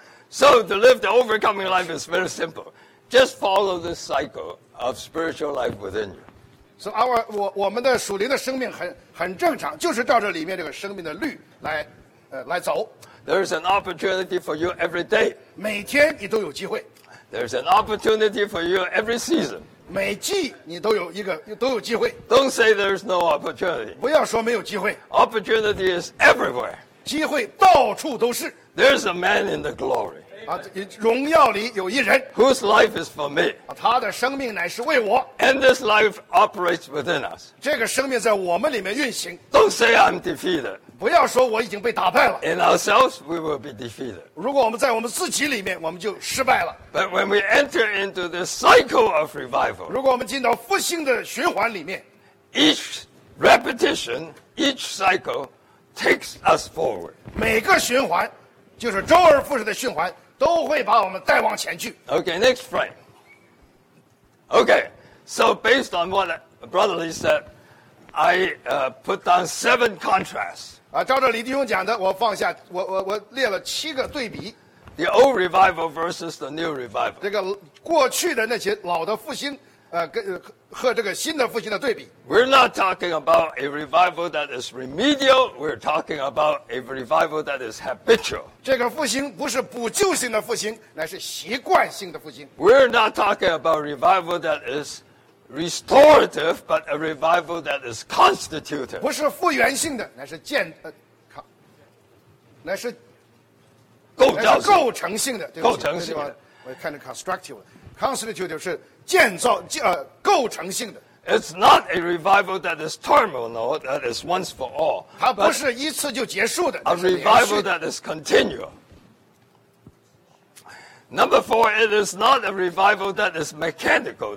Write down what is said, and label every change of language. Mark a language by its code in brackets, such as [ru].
[en] So to live the overcoming life is very simple. Just follow the cycle of spiritual life within you. [zh] So our, 我们的属灵的生命很正常，就是照着里面这个生命的律来，来走。 [en] There is an opportunity for you every day. [zh] 每天你都有机会。 [en] There is an opportunity for you every season. [zh] 每季你都有一个都有机会。 [en] Don't say there is no opportunity. [zh] 不要说没有机会。 [en] Opportunity is everywhere. [zh] 机会到处都是。 [en] There is a man in the glory. [zh] 荣耀里有一人 [en] whose life is for me. [zh] 他的生命乃是为我 [en] And this life operates within us. [zh] 这个生命在我们里面运行 [en] Don't say I'm defeated. [zh] 不要说我已经被打败了 [en] In ourselves, we will be defeated. [zh] 如果我们在我们自己里面，我们就失败了 [en] But when we enter into the cycle of revival, [zh] 如果我们进到复兴的循环里面 [en] each repetition, each cycle takes us forward. [zh] 每个循环就是周而复始的循环都会把我们带往前去。 [en] Okay, next frame. Okay, so based on what Brother Lee said, I put down 7 contrasts. [zh] 照着李弟兄讲的，我放下，我列了七个对比。 [en] The old revival versus the new revival. [zh] 这个过去的那些老的复兴，和这个新的复兴的对比。 [en] We're not talking about a revival that is remedial. We're talking about a revival that is habitual. [zh] 这个复兴不是补救性的复兴，乃是习惯性的复兴。 [en] We're not talking about a revival that is restorative, but a revival that is constitutive. [zh] 不是复原性的，乃是建乃是构造构成性的，构成性的。我看着 [en] constructive, constitutive [zh] 是。建造构成性的。 [en] It's not a revival that is terminal, that is once for all. [zh] 它不是一次就结束的。 [en] A revival that is continual. Number four, it is not a revival that is mechanical.